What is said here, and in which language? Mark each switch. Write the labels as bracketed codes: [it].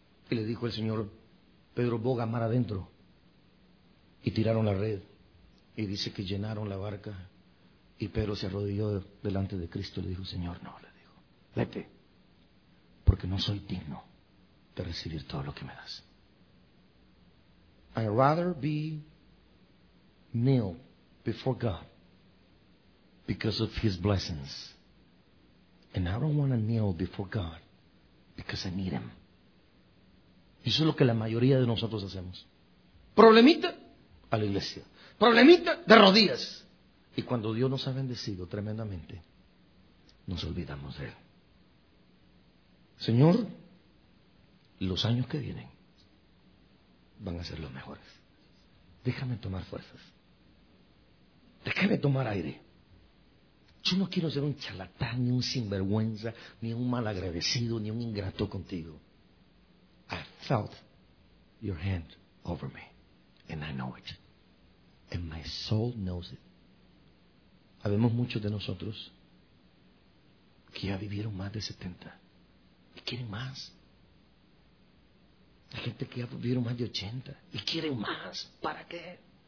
[es] Y le dijo el Señor, Pedro, boga mar adentro. Y tiraron la red y dice que llenaron la barca y Pedro se arrodilló delante de Cristo y le dijo, Señor, no, le dijo, vete. Porque no soy digno de recibir todo lo que me das. [en] I'd rather be kneeled before God because of His blessings. And I don't want to kneel before God because I need Him. [es] Eso es lo que la mayoría de nosotros hacemos. Problemita, a la iglesia. Problemita, de rodillas. Y cuando Dios nos ha bendecido tremendamente, nos olvidamos de Él. Señor, los años que vienen van a ser los mejores. Déjame tomar fuerzas. Déjame tomar aire. Yo no quiero ser un charlatán, ni un sinvergüenza, ni un malagradecido, ni un ingrato contigo. [en] I felt your hand over me, and I know it. And my soul knows it. [es] Habemos muchos de nosotros que ya vivieron más de 70 y quieren más. Hay gente que ya vivieron más de 80 y quieren más. ¿Para qué?